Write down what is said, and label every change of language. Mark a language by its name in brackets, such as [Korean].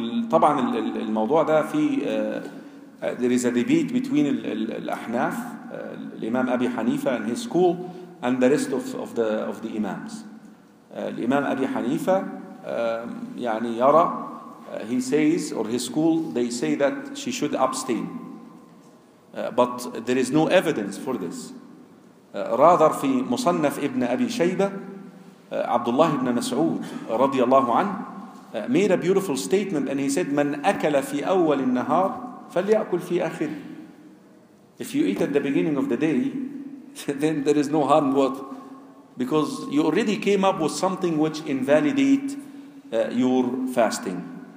[Arabic] طبعا الموضوع ده في [English] there is a debate between [Arabic] الأحناف, الإمام أبي حنيفة [English] and his school, and the rest of the imams. [Arabic] الإمام أبي حنيفة يعني يرى, [English] he says, or his school, they say that she should abstain. But there is no evidence for this. Rather, [Arabic] في مصنف ابن أبي شيبة, عبد الله بن مسعود رضي الله عنه [English] made a beautiful statement, and he said, [Arabic] من أكل في أول النهار فليأكل في آخر. [English] If you eat at the beginning of the day, then there is no harm, what? Because you already came up with something which invalidate your fasting.